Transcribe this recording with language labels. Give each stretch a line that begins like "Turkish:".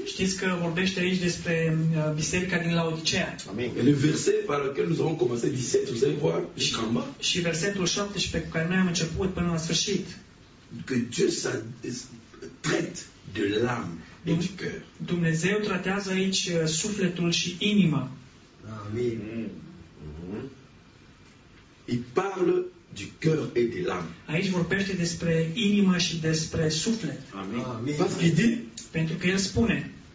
Romanian: Știți că vorbește aici despre biserica din Laodicea. Amin.
French: Le verset par lequel nous avons commencé 17, vous allez voir, jusqu'en bas.
Romanian: Și versetul 17 cu care noi am început până la sfârșit.
French: Que Dieu ça traite de l'âme et du cœur.
Romanian: Dumnezeu tratează aici sufletul și inima. Amin.
French: Il parle du cœur et de l'âme.
Romanian: Aici vorbește despre inimă și despre suflet.
French: Amin. Parce qu'il dit,
Romanian: pentru că el spune,